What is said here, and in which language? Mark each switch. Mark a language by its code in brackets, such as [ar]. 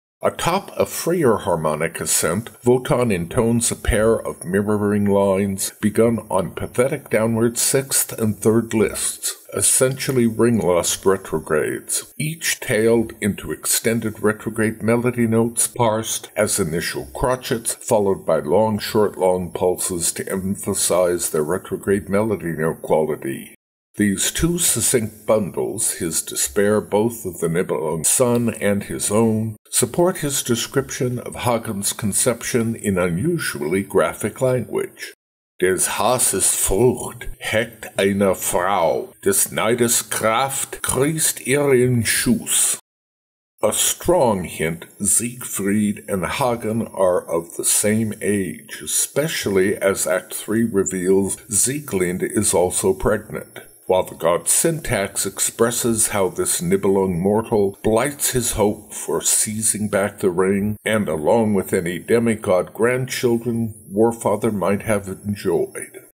[en] Atop a freer harmonic ascent, Votan intones a pair of mirroring lines begun on pathetic downward sixth and third lists, essentially ring-lust retrogrades, each tailed into extended retrograde melody notes parsed as initial crotchets, followed by long, short, long pulses to emphasize their retrograde melody note quality. These two succinct bundles, his despair both of the Nibelung sun and his own, support his description of Hagen's conception in unusually graphic language. [de] Des Hasses Frucht heckt eine Frau, des Neides Kraft kriegst ihren Schuss. [en] A strong hint Siegfried and Hagen are of the same age, especially as Act 3 reveals Sieglinde is also pregnant. While the god's syntax expresses how this Nibelung mortal blights his hope for seizing back the ring, and along with any demigod grandchildren Warfather might have enjoyed.